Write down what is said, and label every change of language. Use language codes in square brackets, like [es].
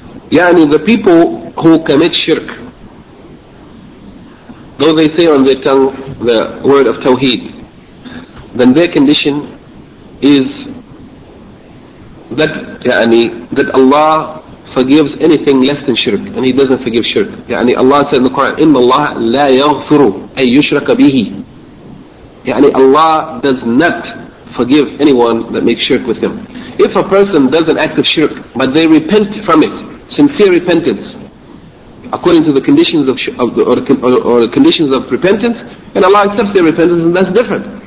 [en] Yani, the people who commit shirk, though they say on their tongue the word of Tawheed, then their condition is that, yani, that Allah forgives anything less than shirk, and He doesn't forgive shirk. Yani, Allah said in the Quran, [ar] إِنَّ اللَّهَ لَا يَغْفِرُ أَن يُشْرَكَ بِهِ. [en] Yani, Allah does not forgive anyone that makes shirk with Him. If a person does an act of shirk, but they repent from it, sincere repentance, according to the conditions of repentance, and Allah accepts their repentance, and that's different.